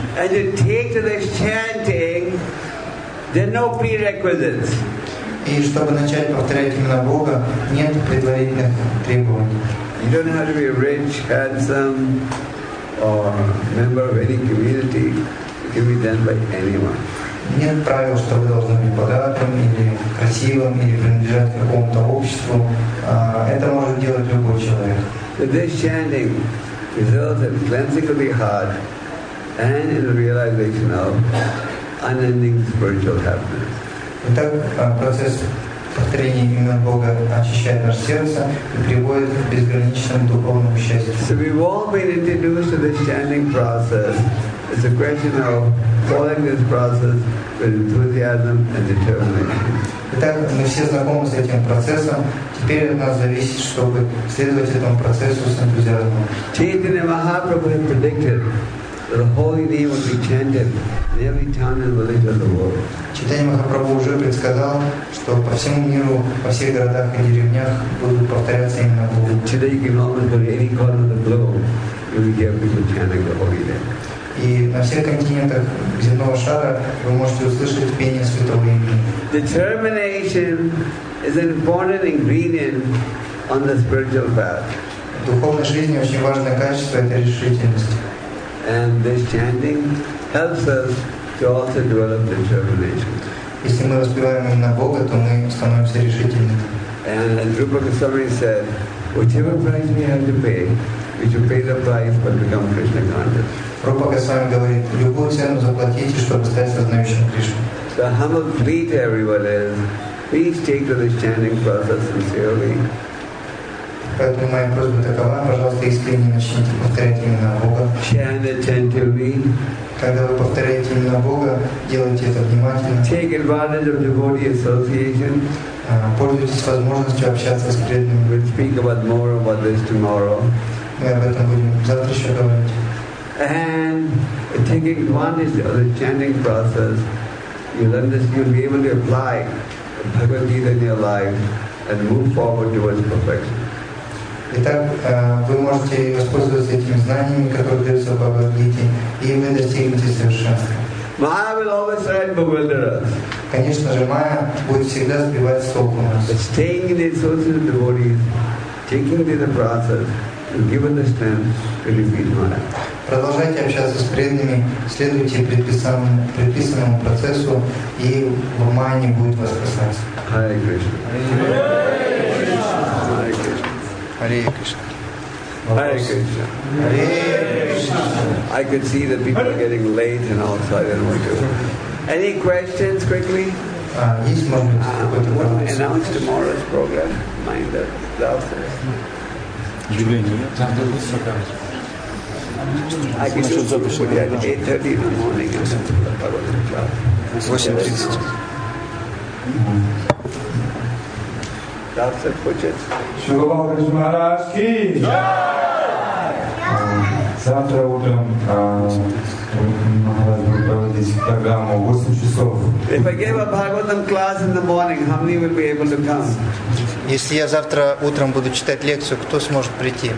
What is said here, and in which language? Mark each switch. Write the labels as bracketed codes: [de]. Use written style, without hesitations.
[en] And you take to this chanting. There are no prerequisites. [ru] И чтобы начать повторять имена Бога, нет предварительных требований. [en] You don't have to be rich, handsome, or member of any community, it can be done by anyone. [ru] Нет правил, что вы должны быть богатым или красивым или принадлежать к какому-то обществу. Это может делать любой человек. [en] This chanting results in cleansing of the heart and in the realization of unending spiritual happiness. [ru] Итак, процесс повторения имен Бога очищает наше сердце и приводит к безграничному духовному счастью. [en] So we've all been introduced to this chanting process. It's a question of following this process with enthusiasm and determination. [ru] Итак, мы все знакомы с этим процессом. Теперь от нас зависит, чтобы следовать этому процессу с энтузиазмом. [en] Chaitanya Mahaprabhu had predicted that the holy name would be chanted in every town and village of the world. [ru] Chaitanya Mahaprabhu уже предсказал, что по всему миру, во всех городах и деревнях будут повторяться именно Богу. [en] Today you can almost go to any corner of the globe, you will hear people chanting the holy name. [ru] И на всех континентах земного шара вы можете услышать пение святого имени. [en] Determination is an important ingredient on the spiritual path. [ru] Духовной жизни очень важное качество – это решительность. [en] And this chanting helps us to also develop determination. [ru] Если мы воспеваем именно Бога, то мы становимся решительными. [en] And as Rupa Goswami said, whichever price we have to pay, we should pay the price but become Krishna conscious. [ru] Рупа Госвами говорит, любую цену заплатите, чтобы стать сознающим Кришну. [en] The humble plea to everyone is, please take to this chanting process sincerely. [ru] Поэтому моя просьба такова, пожалуйста, искренне начните повторять имена Бога. [en] Chant attentively. [ru] Когда вы повторяете имена Бога, делайте это внимательно. [en] Take advantage of devotee association. [ru] Пользуйтесь возможностью общаться с преданными. [en] We'll speak about more about this tomorrow. [ru] Мы об этом будем завтра еще говорить. [en] And taking advantage of the chanting process, you'll understand, you'll be able to apply Bhagavad Gita in your life and move forward towards perfection. [ru] Итак, вы можете воспользоваться этими знаниями, которые даются в Бхагавад Гите, и вы достигнете совершенства. [en] Майя will always try to bewilder us. [ru] Конечно же, майя будет всегда сбивать с толку нас. [en] But staying in the associated devotees, taking the process, you'll give us the strength to defeat Maya. [ru] Продолжайте общаться с преданными, следуйте предписанному процессу, и в мае будет вас спасать. Харе Кришна. Харе Кришна. Харе Кришна. Харе Кришна. [en] I could see that people are getting late and outside. I don't want to. Any questions quickly? [ru] Есть момент. [en] Announce tomorrow's program. Mind the doubters. I can do it at 8:30 in the morning or something. 8:30. That's it, push it. Shubhavari Maharaj ki! [ru] Завтра утром Махарадж будет проводить программу 8 часов. [en] If I give a Bhagavatam class in the morning, how many will be able to come? [ru] Если я завтра утром буду читать лекцию, кто сможет прийти?